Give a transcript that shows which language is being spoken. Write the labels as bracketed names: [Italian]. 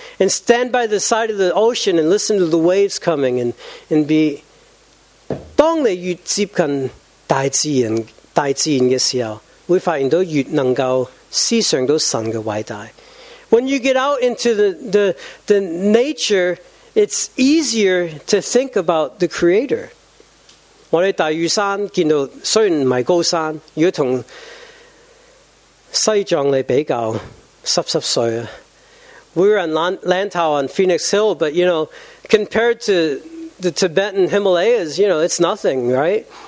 [English] And stand by the side of the ocean and listen to the waves coming and be... [Chinese] 當你越接近大自然的時候, 会发现到越能够思想到神的伟大. [English] When you get out into the nature, it's easier to think about the Creator. [Chinese] 我们大屿山见到虽然不是高山，如果跟西藏来比较，湿湿碎啊。 [English] We were on Lantau on Phoenix Hill, but you know, compared to the Tibetan Himalayas, you know, it's nothing, right?